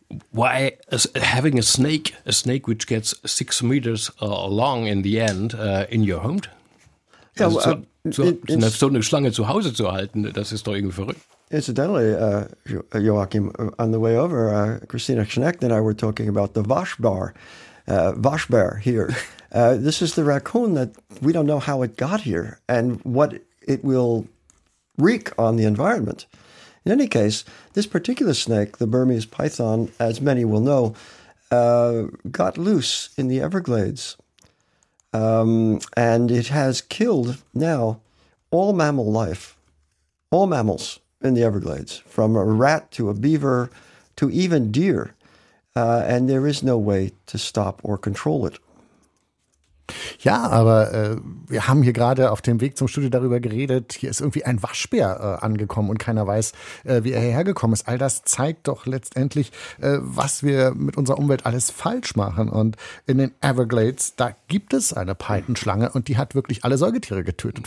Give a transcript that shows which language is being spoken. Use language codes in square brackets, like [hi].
[en] Why having a snake which gets 6 meters long in the end in your home? [de] So eine Schlange zu Hause zu halten, das ist doch irgendwie verrückt. [en] Incidentally, Joachim, on the way over, Christina Schneck and I were talking about the Waschbär here. This is the raccoon that we don't know how it got here and what it will wreak on the environment. In any case, this particular snake, the Burmese python, as many will know, got loose in the Everglades. And it has killed now all mammal life, all mammals in the Everglades, from a rat to a beaver to even deer. And there is no way to stop or control it. [de] Ja, aber wir haben hier gerade auf dem Weg zum Studio darüber geredet, hier ist irgendwie ein Waschbär angekommen und keiner weiß, wie er hergekommen ist. All das zeigt doch letztendlich, was wir mit unserer Umwelt alles falsch machen. Und in den Everglades, da gibt es eine Python-Schlange und die hat wirklich alle Säugetiere getötet.